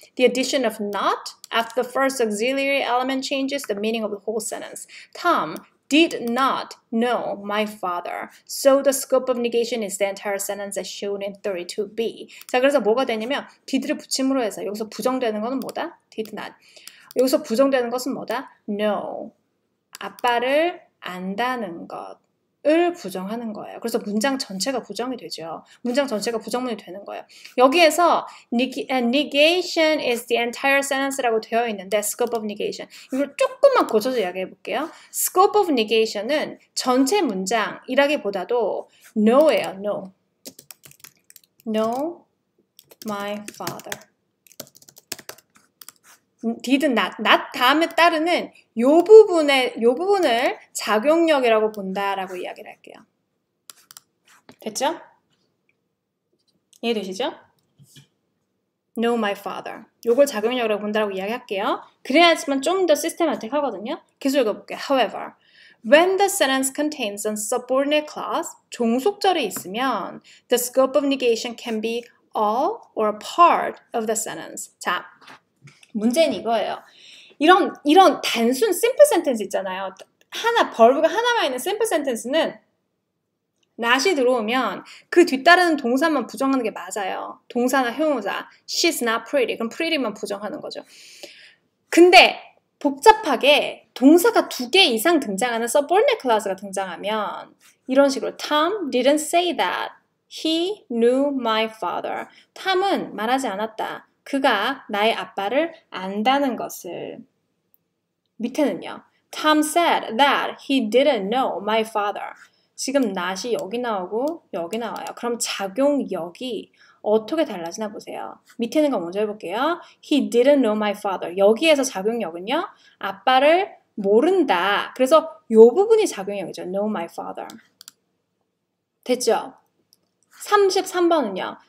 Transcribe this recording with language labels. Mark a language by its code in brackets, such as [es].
[en] The addition of not after the first auxiliary element changes the meaning of the whole sentence. Tom did not know my father. So the scope of negation is the entire sentence as shown in 32B. [ko] 자, 그래서 뭐가 되냐면, did를 붙임으로 해서, 여기서 부정되는 거는 뭐다? [en] Did not. [ko] 여기서 부정되는 것은 뭐다? No. 아빠를 안다는 것. 을 부정하는 거예요. 그래서 문장 전체가 부정이 되죠. 문장 전체가 부정문이 되는 거예요. 여기에서 [en] negation is the entire sentence라고 되어 있는데 scope of negation. [ko] 이걸 조금만 고쳐서 이야기해 볼게요. scope of negation은 전체 문장이라기보다도 no예요. no. [en] no my father. did not. [ko] not 다음에 따르는 요 부분을 작용력이라고 본다라고 이야기를 할게요. 됐죠? 이해되시죠? [en] Know my father. [ko] 요걸 작용력이라고 본다라고 이야기할게요. 그래야지만 좀더 시스템한테 하거든요. 계속 읽어볼게요. [en] However, when the sentence contains a subordinate clause, [ko] 종속절이 있으면, [en] the scope of negation can be all or part of the sentence. [ko] 자, 문제는 이거예요. 이런 단순 심플 센텐스 있잖아요. 하나 벌브가 하나만 있는 심플 센텐스는 not이 들어오면 그 뒤따르는 동사만 부정하는 게 맞아요. 동사나 형용사. [en] She's not pretty. [ko] 그럼 pretty만 부정하는 거죠. 근데 복잡하게 동사가 두개 이상 등장하는 subordinate clause가 등장하면 이런 식으로 [en] Tom didn't say that. He knew my father. [ko] Tom은 말하지 않았다. 그가 나의 아빠를 안다는 것을. 밑에는요. [en] Tom said that he didn't know my father. [ko] 지금 not이 여기 나오고 여기 나와요. 그럼 작용력이 어떻게 달라지나 보세요. 밑에는 거 먼저 해볼게요. [en] He didn't know my father. [ko] 여기에서 작용력은요. 아빠를 모른다. 그래서 요 부분이 작용력이죠. [en] Know my father. [ko] 됐죠? 33번은요.